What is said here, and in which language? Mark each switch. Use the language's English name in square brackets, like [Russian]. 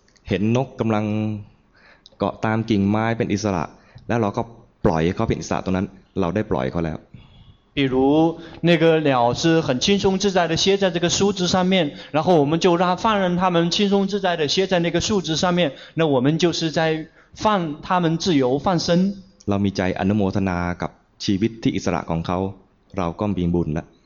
[Thai] เห็นนกกำลังเกาะตามกิ่งไม้เป็นอิสระแล้วเราก็ปล่อยเขาเป็นอิสระตรงนั้นเราได้ปล่อยเขาแล้ว [Chinese] 比如那个鸟是很轻松自在的歇在这个树枝上面然后我们就让放任它们轻松自在的歇在那个树枝上面那我们就是在放它们自由放生 [Thai] เรามีใจอนุโมทนากับชีวิตที่อิสระของเขาเราก็มีบุญละ